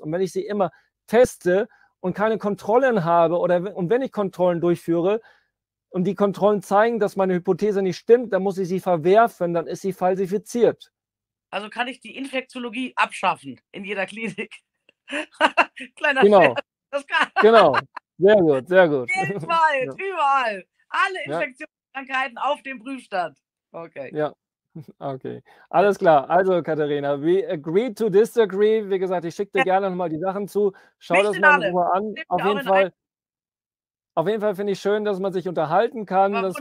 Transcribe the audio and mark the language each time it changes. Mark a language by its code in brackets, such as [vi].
[de] Und wenn ich sie immer teste und keine Kontrollen habe, und wenn ich Kontrollen durchführe und die Kontrollen zeigen, dass meine Hypothese nicht stimmt, dann muss ich sie verwerfen, dann ist sie falsifiziert. Also kann ich die Infektiologie abschaffen in jeder Klinik? Kleiner genau. Scherz. Das kann. Genau, sehr gut. Jedenfalls, ja. Überall, alle Infektionskrankheiten auf dem Prüfstand. Okay. Ja. Okay, alles klar. Also [en] Katharina, we agree to disagree. [de] Wie gesagt, ich schicke dir gerne nochmal die Sachen zu. Schau das mal in Ruhe an. Auf jeden Fall finde ich schön, dass man sich unterhalten kann.